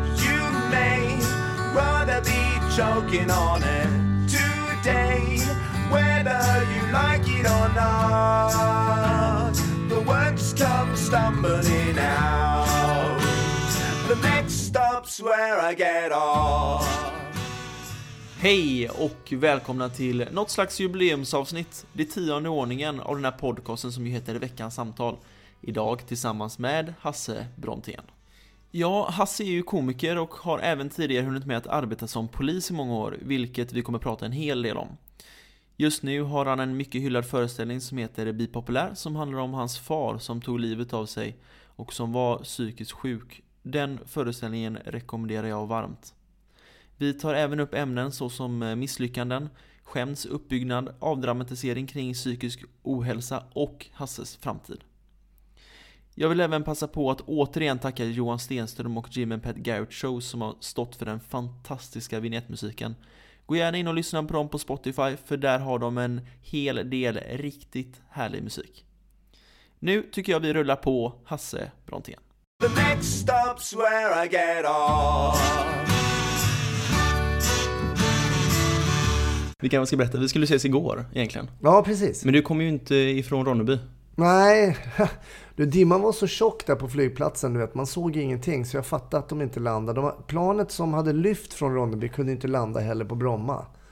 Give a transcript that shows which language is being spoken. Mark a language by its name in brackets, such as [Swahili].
[English] You may rather be joking on it today, whether you like it or not. The words come stumbling out. The next stop's where I get off. [Swedish] Hej och välkomna till något slags jubileumsavsnitt, det 10:e ordningen av den här podcasten som ju heter Veckans samtal. Idag tillsammans med Hasse Brontén. Ja, Hasse är ju komiker och har även tidigare hunnit med att arbeta som polis i många år, vilket vi kommer prata en hel del om. Just nu har han en mycket hyllad föreställning som heter Bipopulär, som handlar om hans far som tog livet av sig och som var psykiskt sjuk. Den föreställningen rekommenderar jag varmt. Vi tar även upp ämnen såsom misslyckanden, skämts uppbyggnad, avdramatisering kring psykisk ohälsa och Hasses framtid. Jag vill även passa på att återigen tacka Johan Stenström och Jim & Pat Garrett Show som har stått för den fantastiska vignettmusiken. Gå gärna in och lyssna på dem på Spotify, för där har de en hel del riktigt härlig musik. Nu tycker jag vi rullar på Hasse Brontén. [English] The next stop's where I get off. [Swedish] Vi kan väl ska berätta, vi skulle ses igår egentligen. Ja, precis. Men du kommer ju inte ifrån Ronneby. Nej, du, dimman var så tjock där på flygplatsen, du vet. Man såg ingenting, så jag fattade att de inte landade. Planet som hade lyft från Ronneby kunde inte landa heller på Bromma.